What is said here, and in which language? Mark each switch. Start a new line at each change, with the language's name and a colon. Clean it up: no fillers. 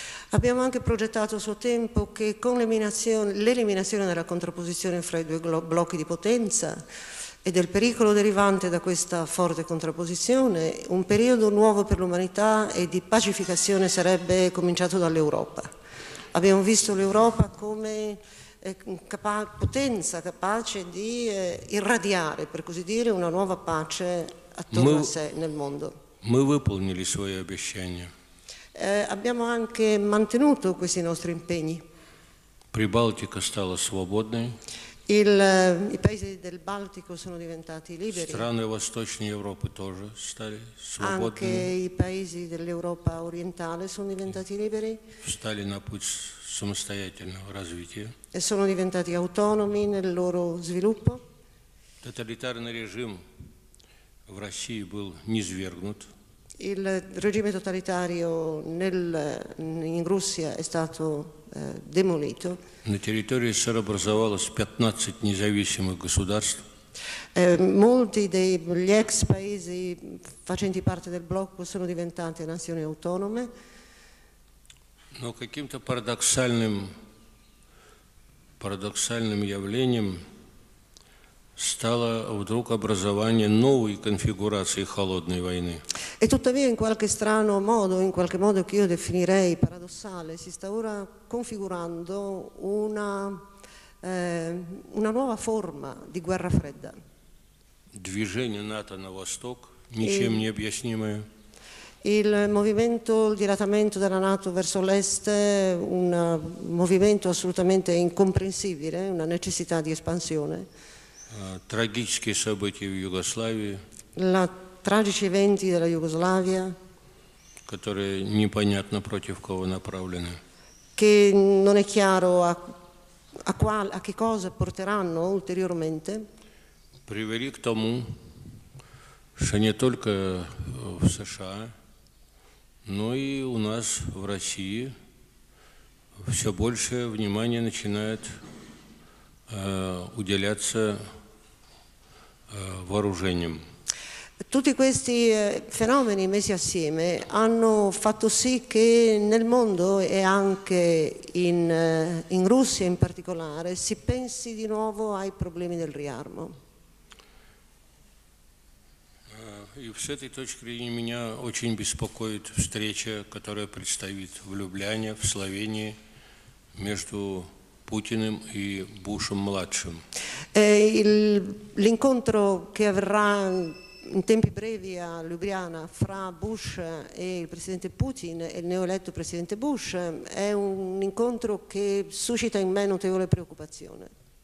Italian: Abbiamo anche progettato a suo tempo che con l'eliminazione della contrapposizione fra i due blocchi di potenza e del pericolo derivante da questa forte contrapposizione, un periodo nuovo per l'umanità e di pacificazione sarebbe cominciato dall'Europa. Abbiamo visto l'Europa come potenza capace di irradiare, per così dire, una nuova pace attorno a sé nel mondo.
Russian: Мы выполнили свои обещания.
Italian: Abbiamo anche mantenuto questi nostri impegni.
Russian: Прибалтика стала свободной.
Italian: I paesi del Baltico sono diventati liberi.
Russian: Страны Восточной Европы тоже стали свободными.
Italian: Anche i paesi dell'Europa orientale sono diventati liberi.
Russian: Встали на путь самостоятельного развития.
Italian: E sono diventati autonomi nel loro sviluppo.
Russian: Тоталитарный режим в России был низвергнут.
Italian: Il regime totalitario in Russia è stato demolito.
Russian: На территории СССР образовалось 15 независимых государств.
Italian: Molti degli ex paesi facenti parte del blocco sono diventati nazioni autonome.
Russian: Но каким-то парадоксальным явлением стало вдруг образование новой конфигурации холодной войны.
Italian: E tuttavia in qualche strano modo, in qualche modo che io definirei paradossale, si sta ora configurando una nuova forma di guerra fredda.
Russian: Движение НАТО на восток ничем не объяснимое.
Italian: Il movimento, il dilatamento della NATO verso l'est, un movimento assolutamente incomprensibile, una necessità di espansione.
Russian: Трагические события в Югославии.
Italian: Tragici eventi della Jugoslavia,
Russian: которые непонятно против кого направлены,
Italian: che non è chiaro a che cosa porteranno ulteriormente,
Russian: привели к тому, что не только в США, но и у нас в России все больше внимания начинает уделяться вооружениям.
Italian: Tutti questi fenomeni messi assieme hanno fatto sì che nel mondo e anche in Russia in particolare si pensi di nuovo ai problemi del riarmo.
Russian: И с этой точки зрения меня очень беспокоит встреча, которая предстоит в Любляне, в Словении, между Путиным и Бушем младшим.
Italian: L'incontro che avverrà in tempi brevi a Ljubljana fra Bush e il presidente Putin e il neoeletto presidente Bush è un incontro che suscita in me notevole preoccupazione.